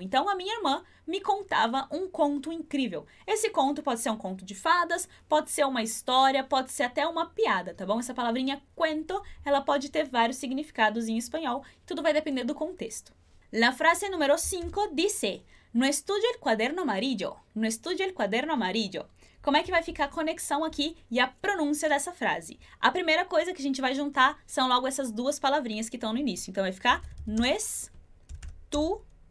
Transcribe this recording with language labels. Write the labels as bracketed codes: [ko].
[pt] Então, a minha irmã me contava um conto incrível. Esse conto pode ser um conto de fadas, pode ser uma história, pode ser até uma piada, tá bom? Essa palavrinha cuento, ela pode ter vários significados em espanhol. Tudo vai depender do contexto. [es] La frase número 5 dice, no estudio el cuaderno amarillo. No estudio el cuaderno amarillo. [pt] Como é que vai ficar a conexão aqui e a pronúncia dessa frase? A primeira coisa que a gente vai juntar são logo essas duas palavrinhas que estão no início. Então, vai ficar no estudio.